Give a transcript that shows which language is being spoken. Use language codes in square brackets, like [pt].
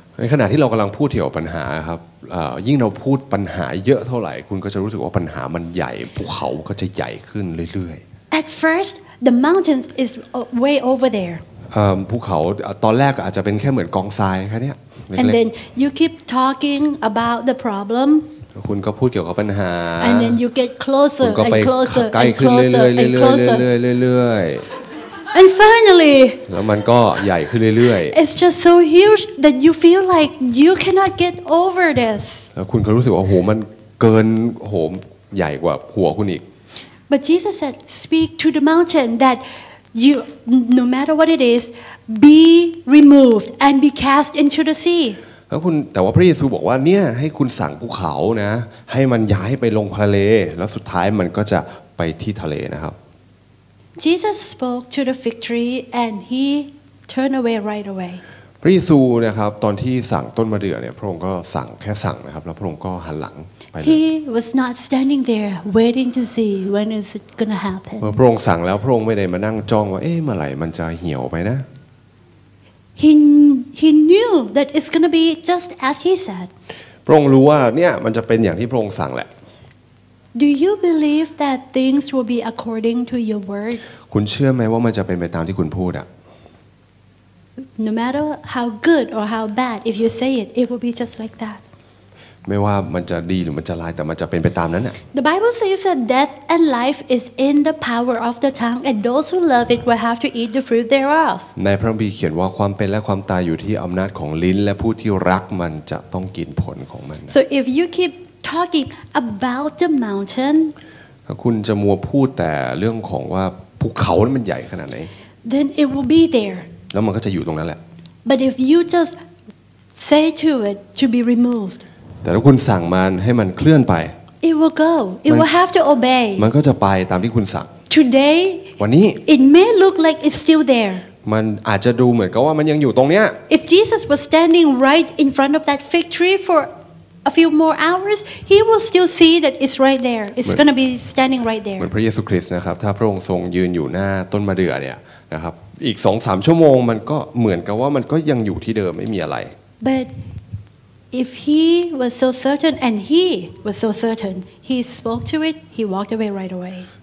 [th] ในขณะที่เรากำลังพูดถึงปัญหาครับยิ่งเราพูดปัญหาเยอะเท่าไหร่คุณก็จะรู้สึกว่าปัญหามันใหญ่ภูเขาก็จะใหญ่ขึ้นเรื่อย [en] ๆ At first the mountain is way over there [th] ภูเขาตอนแรกอาจจะเป็นแค่เหมือนกองทรายแค่นี้ [en] And then you keep talking about the problem [th] คุณก็พูดเกี่ยวกับปัญหา [en] And then you get closer and closer [th] ใกล้ขึ้นเรื่อยๆเรื่อยๆ [en] And finally, [th] แล้วมันก็ใหญ่ขึ้นเรื่อย [en] ๆ It's just so huge that you feel like you cannot get over this. [th] แล้วคุณก็รู้สึกว่าโอ้โหมันเกินโหมใหญ่กว่าหัวคุณอีก [en] But Jesus said, "Speak to the mountain that you, no matter what it is, be removed and be cast into the sea." [th] แล้วคุณแต่ว่าพระเยซูบอกว่าเนี่ยให้คุณสั่งภูเขานะให้มันย้ายไปลงทะเลแล้วสุดท้ายมันก็จะไปที่ทะเลนะครับ [en] Jesus spoke to the fig tree and he turned away right away. [th] พระเยซูนะครับตอนที่สั่งต้นมะเดื่อเนี่ยพระองค์ก็สั่งแค่สั่งนะครับแล้วพระองค์ก็หันหลังไปเลย [en] He was not standing there waiting to see when is it going to happen. [th] เมื่อพระองค์สั่งแล้วพระองค์ไม่ได้มานั่งจ้องว่าเอ๊ะเมื่อไหร่มันจะเหี่ยวไปนะ [en] He knew that it's going to be just as he said. [th] พระองค์รู้ว่าเนี่ยมันจะเป็นอย่างที่พระองค์สั่งแหละ [en] Do you believe that things will be according to your word? [th] คุณเชื่อไหมว่ามันจะเป็นไปตามที่คุณพูดอ่ะ [en] No matter how good or how bad, if you say it, it will be just like that. [th] ไม่ว่ามันจะดีหรือมันจะร้ายแต่มันจะเป็นไปตามนั้นน่ะ [en] The Bible says that death and life is in the power of the tongue, and those who love it will have to eat the fruit thereof. [th] ในพระคัมภีร์เขียนว่าความเป็นและความตายอยู่ที่อำนาจของลิ้นและผู้ที่รักมันจะต้องกินผลของมัน [en] So if you keep talking about the mountain, [th] คุณจะมัวพูดแต่เรื่องของว่าภูเขานั้นมันใหญ่ขนาดไหน [en] Then it will be there. [th] แล้วมันก็จะอยู่ตรงนั้นแหละ [en] But if you just say to it to be removed. [th] แต่ถ้าคุณสั่งมันให้มันเคลื่อนไป [en] It will go. It will have to obey. [th] มันก็จะไปตามที่คุณสั่ง [en] Today. [th] วันนี้ [en] It may look like it's still there. [th] มันอาจจะดูเหมือนกับว่ามันยังอยู่ตรงเนี้ย [en] If Jesus was standing right in front of that fig tree for a few more hours, he will still see that it's right there. It's going to be standing right there. [th] เหมือนพระเยซูคริสต์นะครับถ้าพระองค์ทรงยืนอยู่หน้าต้นมะเดื่อเนี่ยนะครับอีก 2-3 ชั่วโมงมันก็เหมือนกับว่ามันก็ยังอยู่ที่เดิมไม่มีอะไร [en] ButIf he was so certain, and he was so certain, he spoke to it. He walked away right away.